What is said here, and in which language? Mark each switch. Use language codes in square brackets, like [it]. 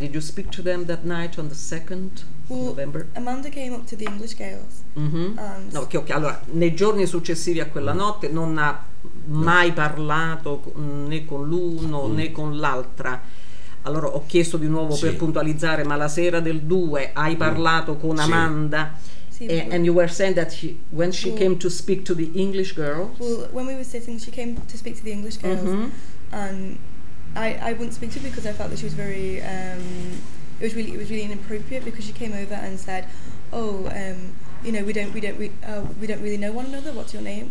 [en] Did you speak to them that night on the 2nd? Well, November. Amanda came up to the English girls. No, okay. [it] Allora, nei giorni successivi a quella notte non ha mai parlato né con l'uno né con l'altra. Allora ho chiesto di nuovo per puntualizzare, ma la sera del 2 hai parlato con Amanda? [en] And you were saying that when she came to speak to the English girls? Well, when we were sitting, she came to speak to the English girls. And I wouldn't speak to her because I felt that she was very it was really inappropriate, because she came over and said, "Oh, you know, we don't really know one another. What's your name?"